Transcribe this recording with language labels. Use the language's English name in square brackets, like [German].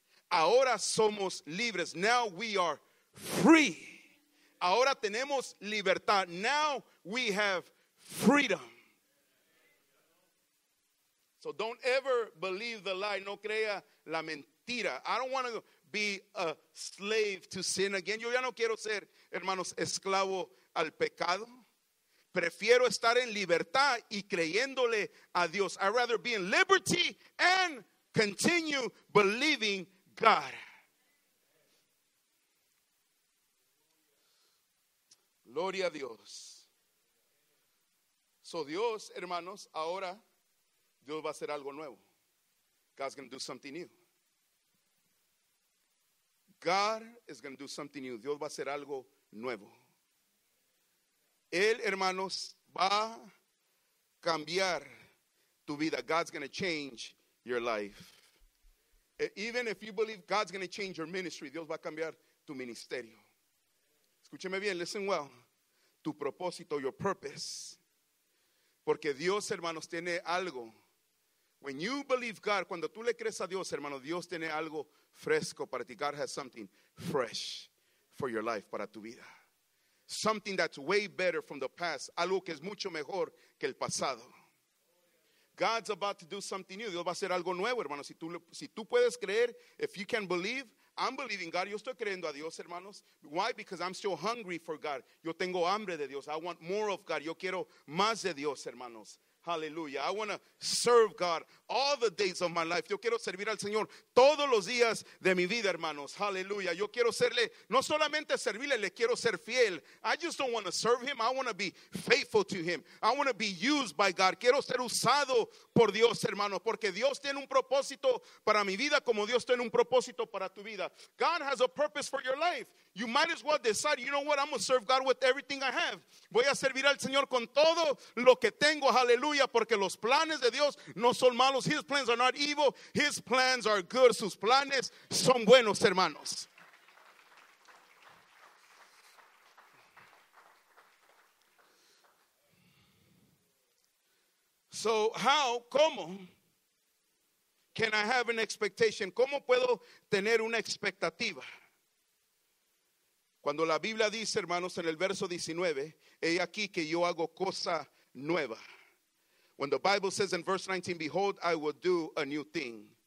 [Spanish] Ahora somos libres. [English] Now we are free. [Spanish] Ahora tenemos libertad. [English] Now we have freedom. So don't ever believe the lie. [Spanish] No crea la mentira. [English] I don't want to be a slave to sin again. [Spanish] Yo ya no quiero ser, hermanos, esclavo al pecado. Prefiero estar en libertad y creyéndole a Dios. [English] I'd rather be in liberty and continue believing God. [Spanish] Gloria a Dios. So Dios, hermanos, ahora Dios va a hacer algo nuevo. [English] God's going to do something new. God is going to do something new. [Spanish] Dios va a hacer algo nuevo. Él, hermanos, va a cambiar tu vida. [English] God's going to change your life. Even if you believe God's going to change your ministry, [Spanish] Dios va a cambiar tu ministerio. Escúcheme bien, [English] listen well. [Spanish] Tu propósito, [English] your purpose. [Spanish] Porque Dios, hermanos, tiene algo. [English] When you believe God, [Spanish] cuando tú le crees a Dios, hermano, Dios tiene algo fresco para ti. [English] God has something fresh for your life, [Spanish] para tu vida. [English] Something that's way better from the past. [Spanish] Algo que es mucho mejor que el pasado. [English] God's about to do something new. [Spanish] Dios va a hacer algo nuevo, hermano. Si tú puedes creer, [English] if you can believe, I'm believing God. [Spanish] Yo estoy creyendo a Dios, hermanos. [English] Why? Because I'm still hungry for God. [Spanish] Yo tengo hambre de Dios. [English] I want more of God. [Spanish] Yo quiero más de Dios, hermanos. Hallelujah. [English] I want to serve God all the days of my life. [Spanish] Yo quiero servir al Señor todos los días de mi vida, hermanos. Hallelujah. Yo quiero serle, no solamente servirle, le quiero ser fiel. [English] I just don't want to serve him. I want to be faithful to him. I want to be used by God. [Spanish] Quiero ser usado por Dios, hermano, porque Dios tiene un propósito para mi vida como Dios tiene un propósito para tu vida. [English] God has a purpose for your life. You might as well decide, you know what, I'm going to serve God with everything I have. [Spanish] Voy a servir al Señor con todo lo que tengo, hallelujah, porque los planes de Dios no son malos. [English] His plans are not evil. His plans are good. [Spanish] Sus planes son buenos, hermanos. [English] So how, [Spanish] cómo, [English] can I have an expectation? [Spanish] ¿Cómo puedo tener una expectativa? Cuando la Biblia dice, hermanos, en el verso 19, he aquí que yo hago cosa nueva. [English] When the Bible says in verse 19, behold, I will do a new thing.